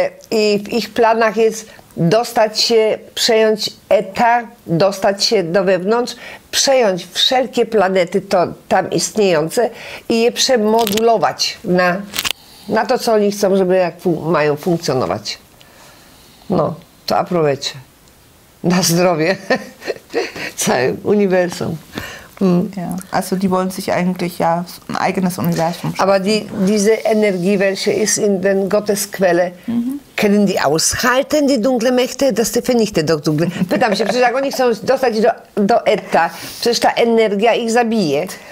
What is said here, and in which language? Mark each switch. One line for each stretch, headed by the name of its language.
Polish: I w ich planach jest dostać się, przejąć Eta, dostać się do wewnątrz, przejąć wszelkie planety to tam istniejące i je przemodulować na to, co oni chcą, żeby jak mają funkcjonować. No, to aprovecie. Na zdrowie, całym uniwersum. Hmm.
German: Ja, also die wollen sich eigentlich ja ein eigenes Universum. Aber diese Energie, welche ist in den Gottesquelle, können die aushalten, die dunkle Mächte, dass die vernichten, doch dunkle?
Polish: Pytam się, przecież jak oni chcą dostać do Eta, przecież ta energia ich zabije.